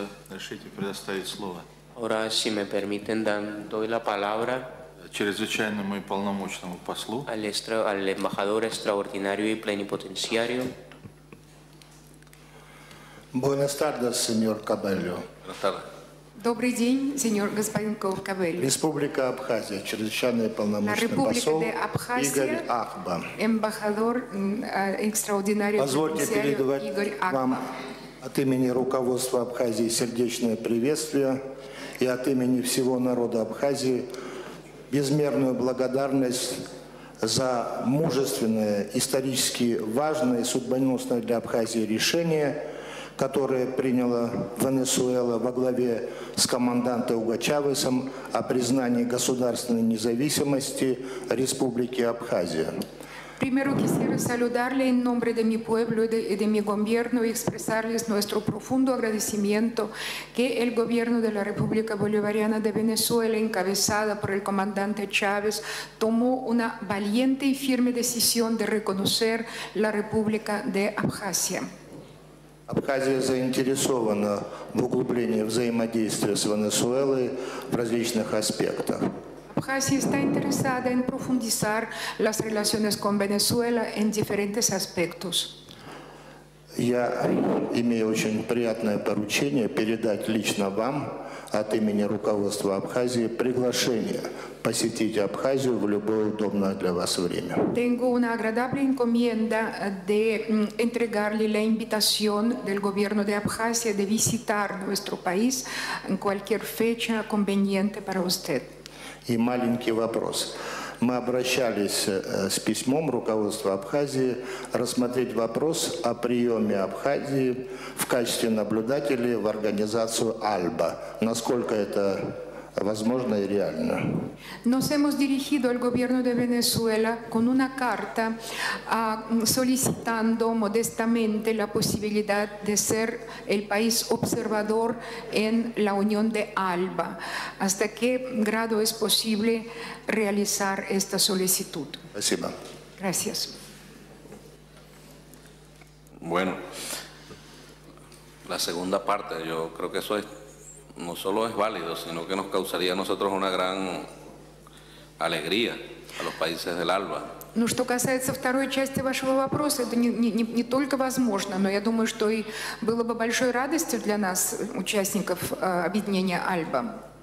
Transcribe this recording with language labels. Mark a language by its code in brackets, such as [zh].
[ru] Решите предоставить слово. [es] Ahora, si me permiten, doy la palabra [ru] чрезвычайному и полномочному послу. [es] Al embajador extraordinario y plenipotenciario. Buenas tardes, señor Cabello. Buenas tardes. [ru] Добрый день, señor господин Кабельо. Республика Абхазия, чрезвычайный и полномочный посол Игорь Ахба. [es] Embajador extraordinario y plenipotenciario Игорь Ахба. [ru] От имени руководства Абхазии сердечное приветствие и от имени всего народа Абхазии безмерную благодарность за мужественное, исторически важное и судьбоносное для Абхазии решение, которое приняла Венесуэла во главе с командантом Уго Чавесом о признании государственной независимости Республики Абхазия. [es] Primero quisiera saludarle en nombre de mi pueblo y de mi gobierno y expresarles nuestro profundo agradecimiento que el gobierno de la República Bolivariana de Venezuela, encabezada por el comandante Chávez, tomó una valiente y firme decisión de reconocer la República de Abjasia. [ru] Абхазия заинтересована в углублении взаимодействия с Венесуэлой в различных аспектах. [es] Абхазия está interesada en profundizar las relaciones con Venezuela en diferentes aspectos. [ru] Я имею очень приятное поручение передать лично вам от имени руководства Абхазии приглашение посетить Абхазию в любое удобное для вас время. [es] Tengo una agradable encomienda de entregarle la invitación del gobierno de Abjasia de visitar nuestro país en cualquier fecha conveniente para usted. [ru] И маленький вопрос. Мы обращались с письмом руководства Абхазии рассмотреть вопрос о приеме Абхазии в качестве наблюдателя в организацию АЛБА. Насколько это возможно и реально? [es] Nos hemos dirigido al gobierno de Venezuela con una carta solicitando modestamente la posibilidad de ser el país observador en la Unión de ALBA. ¿Hasta qué grado es posible realizar esta solicitud? [ru] Спасибо. [es] Gracias. Bueno, la segunda parte, yo creo que eso es, no solo es válido, sino que nos causaría a nosotros una gran alegría a los países del ALBA. [ru] Ну, что касается второй части вашего вопроса, это не только возможно, но я думаю, что и было бы большой радостью для нас, участников объединения ALBA.